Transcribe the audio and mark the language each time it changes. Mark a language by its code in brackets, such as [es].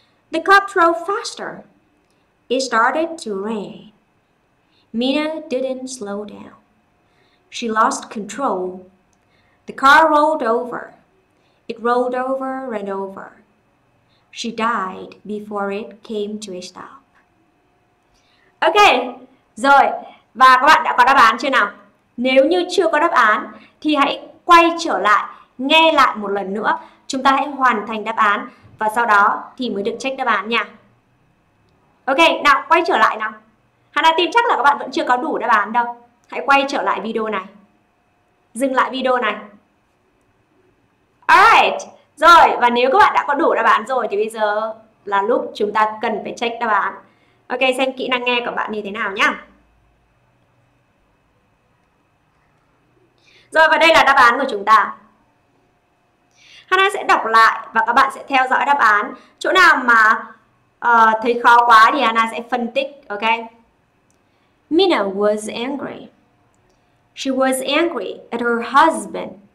[en] The cop drove faster. It started to rain. Mina didn't slow down. She lost control. The car rolled over. It rolled over and over. She died before it came to a stop. [vi] Ok, rồi. Và các bạn đã có đáp án chưa nào? Nếu như chưa có đáp án thì hãy quay trở lại, nghe lại một lần nữa. Chúng ta hãy hoàn thành đáp án và sau đó thì mới được check đáp án nha. Ok, nào quay trở lại nào. Hannah tin chắc là các bạn vẫn chưa có đủ đáp án đâu. Hãy quay trở lại video này. Dừng lại video này. Alright, rồi và nếu các bạn đã có đủ đáp án rồi thì bây giờ là lúc chúng ta cần phải check đáp án. Ok, xem kỹ năng nghe của bạn như thế nào nhá. Rồi và đây là đáp án của chúng ta. Hannah sẽ đọc lại và các bạn sẽ theo dõi đáp án. Chỗ nào mà thấy khó quá thì Hannah sẽ phân tích, ok? [en] Mina was angry. She was angry at her husband.